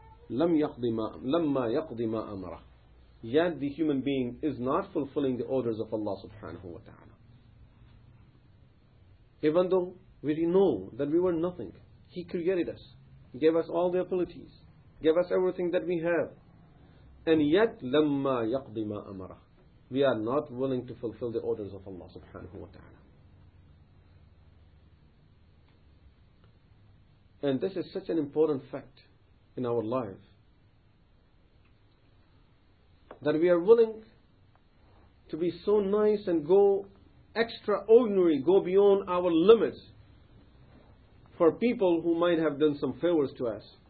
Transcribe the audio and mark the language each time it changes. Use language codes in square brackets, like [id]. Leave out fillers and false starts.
[ar] لَمَّا يَقْضِ مَا أَمَرَ. [en] Yet the human being is not fulfilling the orders of Allah subhanahu wa ta'ala. Even though we know that we were nothing, he created us, he gave us all the abilities, gave us everything that we have. And yet, [ar] لَمَّا يَقْضِ مَا أَمَرَ. [en] We are not willing to fulfill the orders of Allah subhanahu wa ta'ala. And this is such an important fact in our life, that we are willing to be so nice and go extraordinary, go beyond our limits for people who might have done some favors to us.